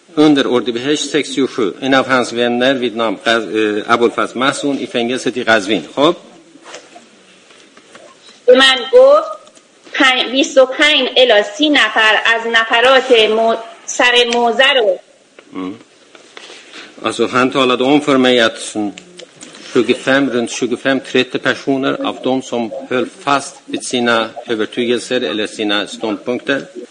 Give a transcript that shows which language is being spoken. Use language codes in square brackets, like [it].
[sv] Under Ordibehesht 67, en av hans vänner vid namn Abul Fazl Mahzun i fängelset i Qazvin. Hopp. [fa] به من گفت 25 الی 30 نفر از نفرات سر موزه رو [sv] alltså han talade om för mig att 25 runt 25-30 personer av de som höll fast vid sina övertygelser eller sina ståndpunkter.